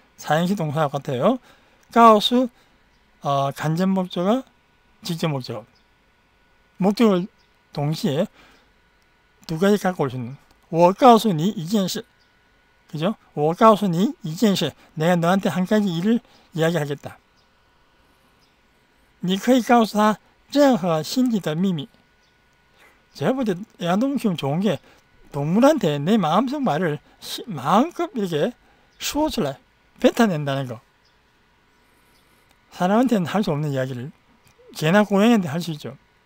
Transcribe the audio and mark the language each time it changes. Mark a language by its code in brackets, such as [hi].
[ko] 자연시 동사 같아요。 가우스 간접 목적어 직접 목적어 목적을 동시에 두 가지 갖고 올수 있는 [zh] 我告诉你一件事， [ko] 그죠？ [zh] 我告诉你一件事， [ko] 내가 너한테 한 가지 일을 이야기하겠다。 [zh] 你可以告诉他任何心底的秘密。 [ko] 제가 볼때 애완동물 키우면 좋은 게 동물한테 내 마음속 말을 마음껏 이렇게 [zh] 说出来。 [ko] 뱉어낸다는 거。 사람한테는 할수 없는 이야기를 개나 고양이한테 할수 있죠。